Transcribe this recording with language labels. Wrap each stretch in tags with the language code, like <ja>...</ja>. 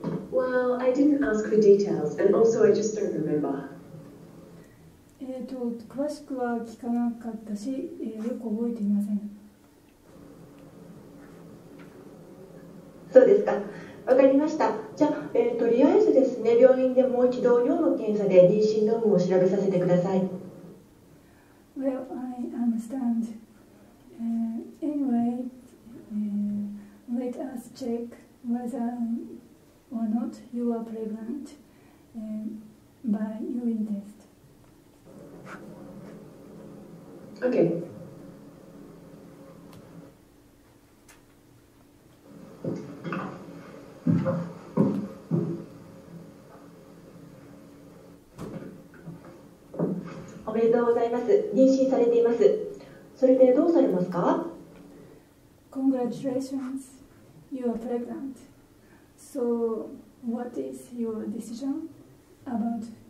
<en>Well, I didn't ask for details, and also I just don't remember.</en> <ja>詳しくは聞かなかったし、よく覚えていません。そうですか。わかりました。じゃあ、とりあえずですね、病院でもう一度尿の検査で妊娠の有無を調べさせてください。</ja> <en>Well, I understand. Anyway, let us check whether or not you are pregnant by urine test. Okay.</en> <ja>おめでとうございます。妊娠されています。それでどうされますか？</ja> <en>Congratulations. You are pregnant. So, what is your decision about</en>